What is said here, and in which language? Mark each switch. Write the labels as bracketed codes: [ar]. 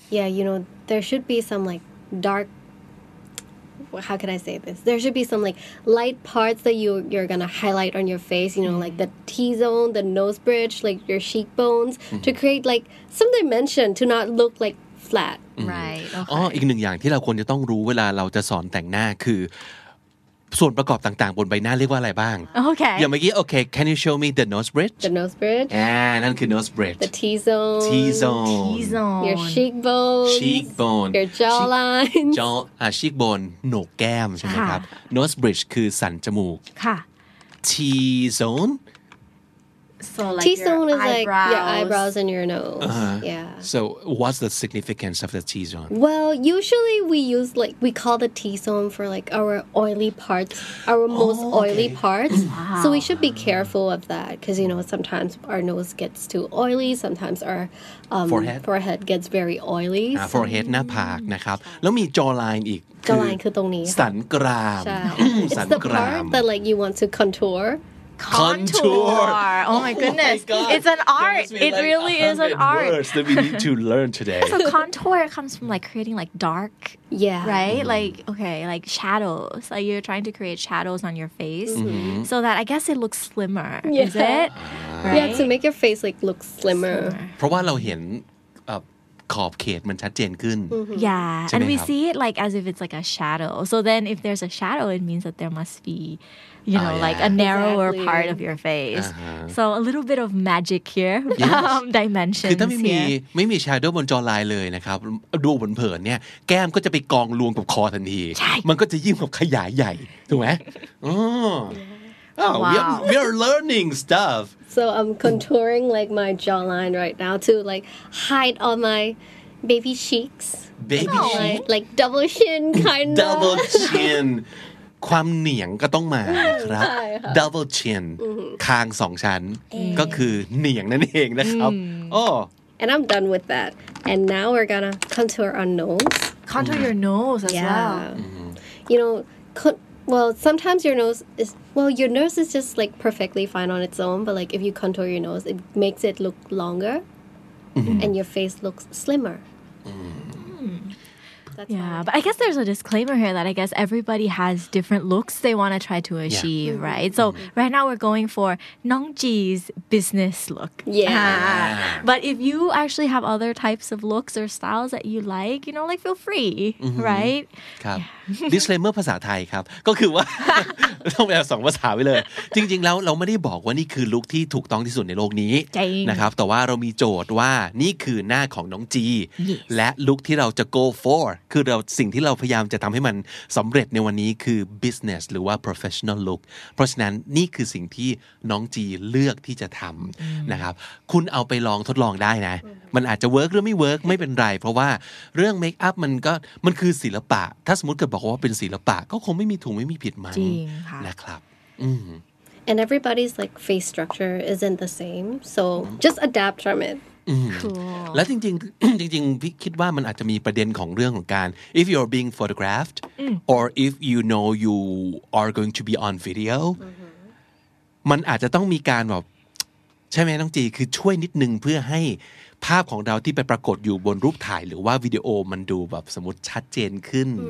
[en] Yeah, you know, there should be some like dark, how can I say this? There should be some like light parts that you're going to highlight on your face, you know, like the T-zone, the nose bridge, like your cheekbones, to create like some dimension to not look like flat. Right. Okay. [th] อีกหนึ่งอย่างที่เราควรจะต้องรู้เวลาเราจะสอนแต่งหน้าคือส่วนประกอบต่างๆบนใบหน้าเรียกว่าอะไรบ้าง โอเค อย่างเมื่อกี้โอเค [en] can you show me the nose bridge the nose bridge [th] นั่นคือ nose bridge [en] the T-zone your cheekbone your jawline [th] cheekbone โหนกแก้มใช่ไหมครับ nose bridge คือสันจมูก ค่ะ [en] T-zone so like T-zone is like your eyebrows and your nose so what's the significance of the T-zone well usually we use like we call the T-zone for like our oily parts our most oily parts so we should be careful of that because you know sometimes our nose gets too oily sometimes our forehead gets very oily [th] forehead หน้าผากนะครับแล้วมี jawline อีก jawline คือตรงนี้สันกราม [en] สันกรามit's the part that like you want to contour Contour. Oh my goodness. Oh my God. It's an art. It like really is an art. Words that we need to learn today. So contour comes from like creating like dark. Yeah. Right? Mm-hmm. Like, okay, like shadows. Like you're trying to create shadows on your face so that I guess it looks slimmer. Yeah. Is it? Right? Yeah, to make your face like look slimmer. [th] เพราะว่าเราเห็นขอบเขตมันชัดเจนขึ้น [en] yeah and we see it like as if it's like a shadow so then if there's a shadow it means that there must be you know like a narrower part of your face so a little bit of magic here dimensions [th] คือถ้าไม่มี shadow บน jawline เลยนะครับดูเผินๆเนี่ยแก้มก็จะไปกองรวมกับคอทันทีมันก็จะยิ่งแบบขยายใหญ่ถูกไหมอ๋อ [en] we are learning stuff So I'm contouring like my jawline right now to like hide all my baby cheeks. Baby like, cheek, like double chin kind of. [th] Double chin, ความเหนียงก็ต้องมาครับ Double chin, คางสองชั้นก็คือเหนียงนั่นเองนะครับ Oh. [en] And I'm done with that. And now we're gonna contour our nose. Contour your nose as well. You know, well, sometimes your nose is. Well, your nose is just like perfectly fine on its own, but like if you contour your nose, it makes it look longer, and your face looks slimmer. But I guess there's a disclaimer here that I guess everybody has different looks they want to try to achieve, right? So right now we're going for Nongji's business look. Yeah. But if you actually have other types of looks or styles that you like, you know, like feel free, right? [th] Disclaimer ภาษาไทยครับก็คือว่าต้องแปลสองภาษาไปเลยจริงๆแล้วเราไม่ได้บอกว่านี่คือลุคที่ถูกต้องที่สุดในโลกนี้ นะครับแต่ว่าเรามีโจทย์ว่านี่คือหน้าของน้องจีและลุคที่เราจะ go for คือเราสิ่งที่เราพยายามจะทำให้มันสำเร็จในวันนี้คือ business หรือว่า professional look เพราะฉะนั้นนี่คือสิ่งที่น้องจีเลือกที่จะทำนะครับคุณเอาไปลองทดลองได้นะมันอาจจะ work หรือไม่ work ไม่เป็นไรเพราะว่าเรื่อง make up มันคือศิลปะถ้าสมมติเกิดบอกว่าเป็นศิลปะก็คงไม่มีถูกไม่มีผิดมั้งนะครับ [en] and everybody's like face structure isn't the same so just adapt from it Cool. [th] และจริงๆจริงๆพี่คิดว่ามันอาจจะมีประเด็นของเรื่องของการ [en] if you're being photographed or if you know you are going to be on video [th] มันอาจจะต้องมีการแบบใช่ไหมน้องจีคือช่วยนิดนึงเพื่อให้ภาพของเราที่ไปปรากฏอยู่บนรูปถ่ายหรือว่าวิดีโอมันดูแบบสมมติชัดเจนขึ้น